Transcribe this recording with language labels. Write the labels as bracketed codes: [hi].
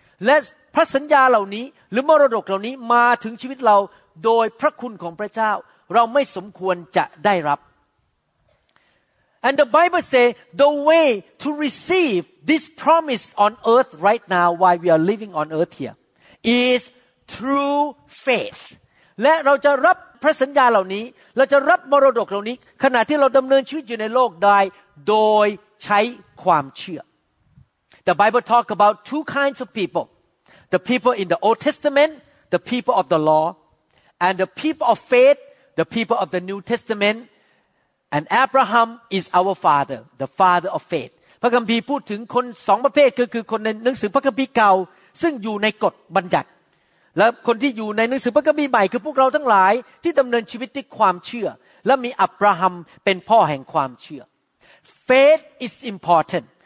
[th] และพระสัญญาเหล่านี้หรือมรดกเหล่านี้มาถึงชีวิตเราโดยพระคุณของพระเจ้าเราไม่สมควรจะได้รับ [en] And the Bible say the way to receive this promise on earth right now while we are living on earth here is through faith. [th] และเราจะรับพระสัญญาเหล่านี้เราจะรับมรดกเหล่านี้ขณะที่เราดำเนินชีวิตอยู่ในโลกได้โดยใช้ความเชื่อ [en] The Bible talk about two kinds of people. The people in the Old Testament, the people of the law, and the people of faith, the people of the New Testament. And Abraham is our father, the father of faith. [th] พระคัมภีร์พูดถึงคน2ประเภทคือคนในหนังสือพระคัมภีร์เก่าซึ่งอยู่ในกฎบัญญัติและคนที่อยู่ในหนังสือพระคัมภีร์ใหม่คือพวกเราทั้งหลายที่ดำเนินชีวิตด้วยความเชื่อและมีอับราฮัมเป็นพ่อแห่งความเชื่อ [en] Faith is important.